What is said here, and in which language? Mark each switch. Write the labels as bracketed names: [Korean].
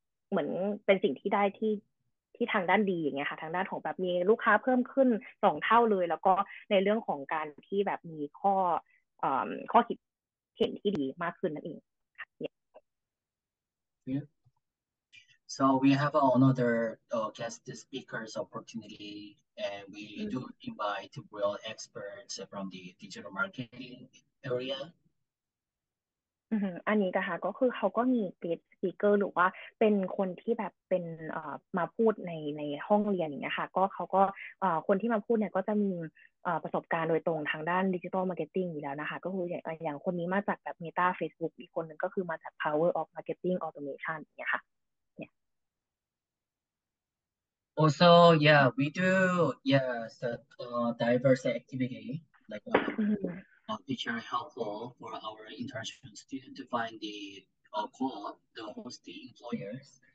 [Thai] เหมือนเป็นสิ่งที่ได้ที่ทางด้านดีอย่างเงี้ยค่ะทางด้านของแบบมีลูกค้าเพิ่มขึ้น2 เท่าเลยแล้วก็ในเรื่องของการที่แบบมีข้อคิดเห็นที่ดีมากขึ้นนั่นเอง [English] Yeah. So we have another guest speakers opportunity, and we do invite real experts from the digital marketing area. [Thai] อันนี้ก็ค่ะก็คือเขาก็มี guest speaker หรือว่าเป็นคนที่แบบเป็นมาพูดในห้องเรียนอย่างเงี้ยค่ะก็เขาก็คนที่มาพูดเนี่ยก็จะมีประสบการณ์โดยตรงทางด้านดิจิทัลมาร์เก็ตติ้งอยู่แล้วนะคะก็คืออย่างคนนี้มาจากแบบ Meta Facebook อีกคนนึงก็คือมาจาก Power of Marketing Automation อย่างเงี้ยค่ะ [English] Also, yeah, we do, yes, diverse activity, like teacher helpful for our international students to find the co-op, the host employers.